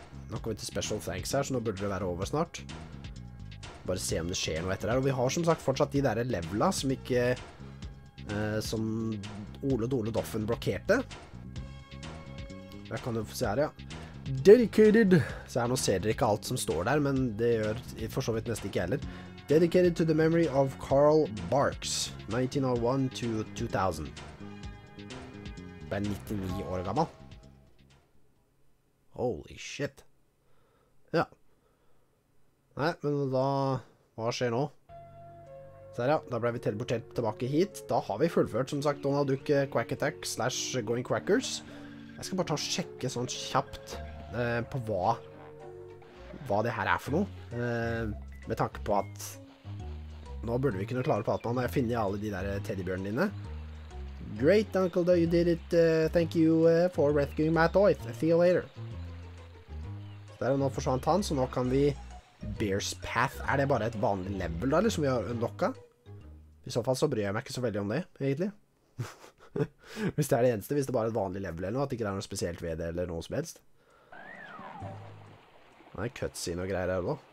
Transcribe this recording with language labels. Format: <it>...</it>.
<no>Nå kommer vi til Special Thanks her, så nå burde det være over snart. Bare se om det skjer noe etter her, og vi har som sagt fortsatt de der levela som ikke... som Ole Doffen blokkerte. Der kan du få se her, ja. Dedicated, så her nå ser dere ikke alt som står der, men det gjør for så vidt nesten ikke heller.</no> <en>Dedicated to the memory of Carl Barks, 1901 to 2000.</en> <no>Det er 99 år gammel.</no> <en>Holy shit.</en> <no>Ja. Nei, men da, hva skjer nå? Så her ja, da ble vi teleportert tilbake hit. Da har vi fullført, som sagt, Donald Duck Quack Attack slash Going Quackers. Jeg skal bare ta og sjekke sånn kjapt på hva det her er for noe, med tanke på at nå burde vi kunne klare på at man finner alle de der teddybjørnene dine.</no> <en>Great uncle, you did it, thank you for rescuing my toy, see you later.</en> <no>Så der er nå forsvant han, så nå kan vi Bear's Path. Er det bare et vanlig level da, liksom vi har unlocket? I så fall så bryr jeg meg ikke så veldig om det, egentlig. Hvis det er det eneste, hvis det bare er et vanlig level eller noe, at det ikke er noe spesielt ved det eller noe som helst. Nei, cutscene og greier her da.</no>